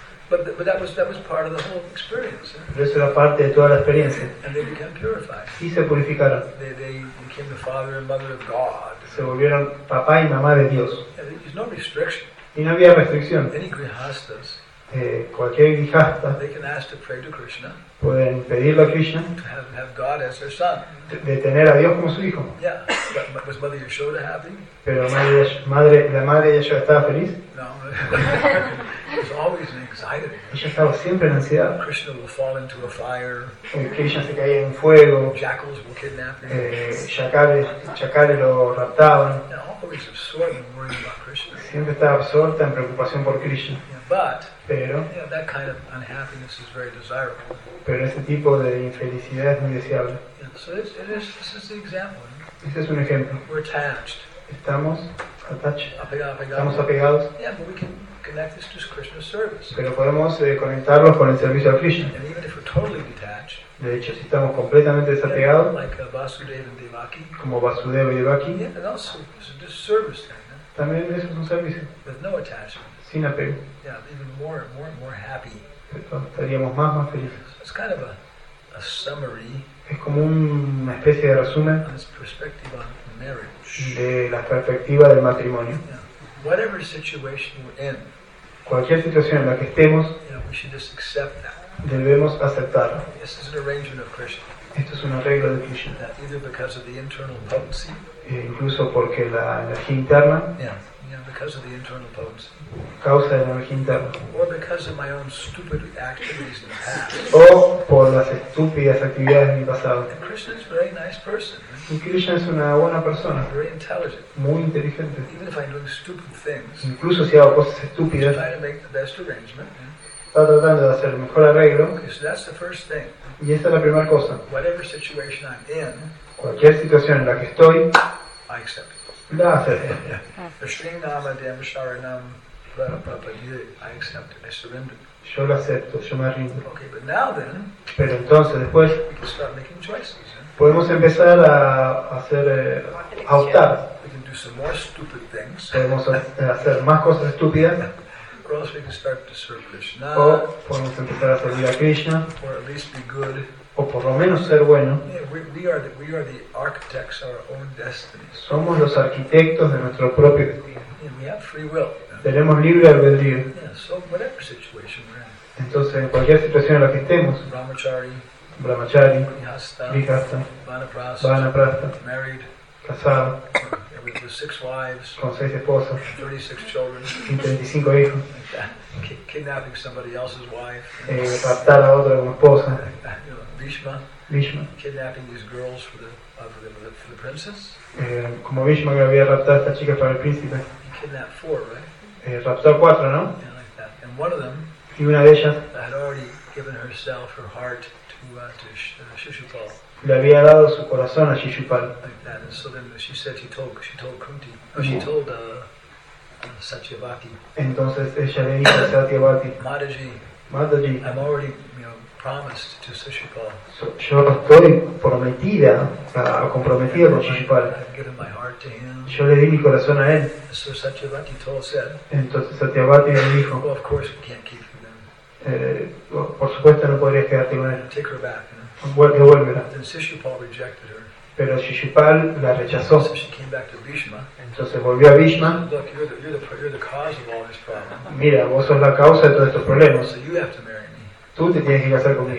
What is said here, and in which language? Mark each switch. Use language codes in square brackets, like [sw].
[en] But that was part of the whole experience. [es] Pero eso era parte de toda la experiencia. [en] And they became purified. [es] Y se purificaron. [en] They became the father and mother of God. [es] Se volvieron papá y mamá de Dios. [en] And there's no restriction. [es] Y no había restricción. [en] Any grihastas. [es] Cualquier grihasta. [en] They can ask to pray to Krishna. [es] Pueden pedirle a Krishna. [en] To have God as their son. [es] De tener a Dios como su hijo. [en] Yeah. But was Mother Yashoda happy? [es] Pero la madre de Yashoda estaba feliz. [en] No. There's always an anxiety. [es] Ella estaba siempre en ansiedad. [en] Krishna will fall into a fire. [es] Krishna se caía en fuego. [en] Jackals will kidnap him. [es] Chacales lo raptaban. [en] Now, always absorbed in worrying about Krishna. [es] Siempre estaba absorta en preocupación por Krishna. [en] Yeah, but [es] pero, [en] yeah, that kind of unhappiness is very desirable. [es] Pero ese tipo de infelicidad es muy deseable. [en] Yeah, so this is the example. [es] Este es un ejemplo. [en] We're attached. [es] Estamos attached. Apegado. Estamos apegados. [en] Yeah, but we can connect this to Krishna's service. [es] Pero podemos conectarlo con el servicio a Krishna. [en] And even if we're totally detached, [es] de hecho, si estamos completamente desapegados, [en] yeah, like Vasudeva and Devaki, [es] como Vasudeva y Devaki, [en] yeah, and also, it's a service thing, eh? [es] También eso es un servicio. [en] With no attachment. [es] Sin apego. [en] Yeah, even more and more happy. [es] Entonces, estaríamos más felices. [en] It's kind of a summary. [es] Es como una especie de resumen [en] on his perspective on marriage. [es] De la perspectiva del matrimonio. [en] Yeah. Whatever situation we're in, [es] cualquier situación en la que estemos, [en] you know, we should just accept that. [es] Debemos aceptarlo. [en] This is an arrangement of Krishna. [es] Esto es un arreglo de Krishna. [en] That either because of the internal potency, [es] incluso porque la energía interna, [en] yeah, you know, because of the internal potency, [es] causa de la energía interna, [en] or because of my own stupid activities in the past, [es] o por las estúpidas actividades en mi pasado. [en] And Krishna is a very nice person. [es] Y Krishna es una buena persona. [en] Very intelligent. [es] Muy inteligente. [en] Even if I'm doing stupid things, [es] incluso si hago cosas estúpidas, [en] he's trying to make the best arrangement. [es] Está tratando de hacer el mejor arreglo. [en] Okay, so that's the first thing. [es] Y esta es la primera cosa. [en] Whatever situation I'm in, [es] cualquier situación en la que estoy, [en] I accept it. [es] La acepto. [en] Shrinama Damasharanam Prabhupada, I accept it. I surrender. [es] Yo lo acepto, yo me rindo. [en] Okay, but now then, [es] pero entonces después, [en] we can start making choices. [es] Podemos empezar a hacer, a optar. [en] We can do some more stupid things. [es] Podemos hacer más cosas estúpidas. [en] Or else we can start to serve Krishna. [es] O podemos empezar a servir a Krishna. [en] Or at least be good. [es] O por lo menos ser bueno. [en] Yeah, we are the architects of our own destiny. [es] Somos los arquitectos de nuestro propio destino. [en] Yeah, we have free will. [es] Tenemos libre albedrío. [en] Yeah, so whatever situation we're in. [es] Entonces, en cualquier situación en la que estemos, [en] Brahmachari, Grihastha, Vanaprastha, married, [es] casado, [en] with the six wives, [es] con seis esposas, [en] 36 children, [es] 35 hijos, [en] like kidnapping somebody else's wife, [es] raptar a otra como esposa, [en] you know, Bhishma, kidnapping these girls for the princess, [es] como Bhishma que había raptado a esta chica para el príncipe, [en] he kidnapped four, right? [es] Raptó cuatro, ¿no? [en] Yeah, like that. And one of them, [es] y una de ellas, [en] had already given herself her heart. Shishupal. [es] Le había dado su corazón a Shishupal. [en] Like that. And so then she said she told Kunti. Oh, she told Satyavati. [es] Entonces ella le dijo a Satyavati. [en] Mataji, I'm already, you know, promised to Shishupal. [es] So, yo estoy prometida, comprometida con Shishupal. [en] I've given my heart to him. [es] Yo le di mi corazón a él. [en] So Satyavati said. [es] Entonces Satyavati le dijo. [en] Well, of course we can't keep. [es] Por supuesto no podrías quedarte con él. [en] Take her back, you know? [es] Devuélvela. [en] Then Shishupal rejected her. [es] Pero Shishupal la rechazó. [en] So she came back to Bhishma. [es] Entonces volvió a Bhishma. [en] Look, you're the cause of all this problem. [es] Mira, vos sos la causa de todos estos problemas. [en] So you have to marry me. [es] Tú te tienes que casar conmigo.